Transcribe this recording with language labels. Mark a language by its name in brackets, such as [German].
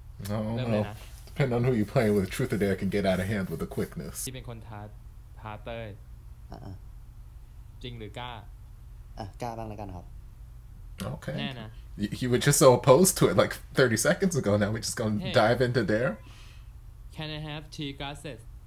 [English] no, [Thai] เริ่มเลยนะ [English] depend on who you play with truth or dare can get out of hand with the quickness [Thai] ที่เป็นคนท้าเต้ยจริงหรือกล้าก ล้าบ้างแล้วกันครับ โอเค แน่นะ [English] you were just so opposed to it like 30 seconds ago now we're just gonna hey. dive into dare can I have tea glasses